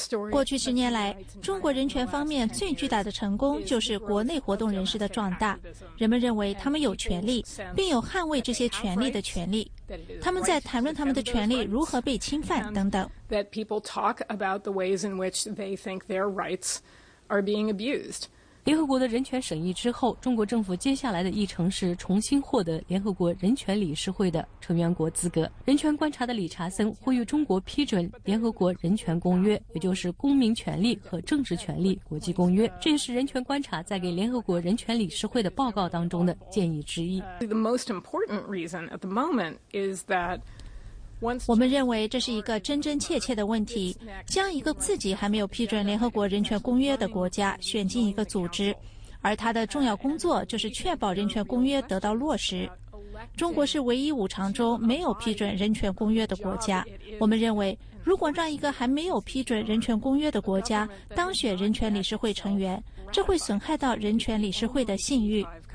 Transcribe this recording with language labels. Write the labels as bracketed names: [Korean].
[Chinese] 过去十年来，中国人权方面最巨大的成功就是国内活动人士的壮大，人们认为他们有权利，并有捍卫这些权利的权利，他们在谈论他们的权利如何被侵犯等等。 [English] That people talk about the ways in which they think their rights are being abused. [Chinese] 联合国的人权审议之后，中国政府接下来的议程是重新获得联合国人权理事会的成员国资格。人权观察的理查森呼吁中国批准联合国人权公约，也就是《公民权利和政治权利国际公约》，这也是人权观察在给联合国人权理事会的报告当中的建议之一。 [English] The most important reason at the moment is that. [Chinese] 我们认为这是一个真真切切的问题，将一个自己还没有批准联合国人权公约的国家选进一个组织，而它的重要工作就是确保人权公约得到落实。中国是唯一五常中没有批准人权公约的国家，我们认为如果让一个还没有批准人权公约的国家当选人权理事会成员，这会损害到人权理事会的信誉。